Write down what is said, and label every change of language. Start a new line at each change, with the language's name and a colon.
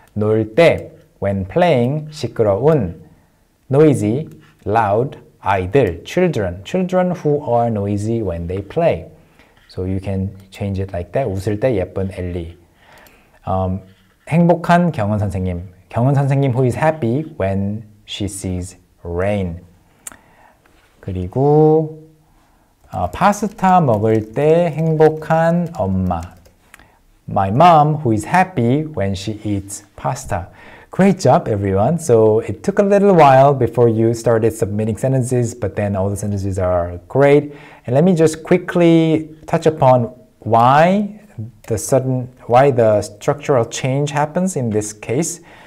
English: 놀 때, when playing, 시끄러운, noisy, loud, 아이들, children. Children who are noisy when they play. So you can change it like that.
Korean: 웃을 때 예쁜 엘리. 행복한 경은 선생님.
English: 경은 선생님 who is happy when she sees rain.
Korean: 그리고 파스타 먹을 때 행복한 엄마.
English: My mom who is happy when she eats pasta. Great job, everyone. So it took a little while before you started submitting sentences, but then all the sentences are great. And let me just quickly touch upon why the structural change happens in this case.